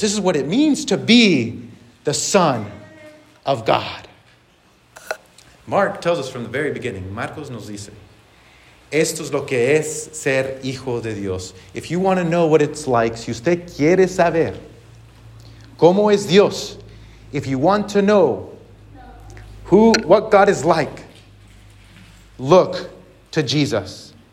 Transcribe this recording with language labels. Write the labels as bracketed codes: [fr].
[en] This is what it means to be the son of God. Mark tells us from the very beginning. [es] Marcos nos dice. Esto es lo que es ser hijo de Dios. [en] If you want to know what it's like, [es] si usted quiere saber cómo es Dios, [en] if you want to know what God is like, look to Jesus.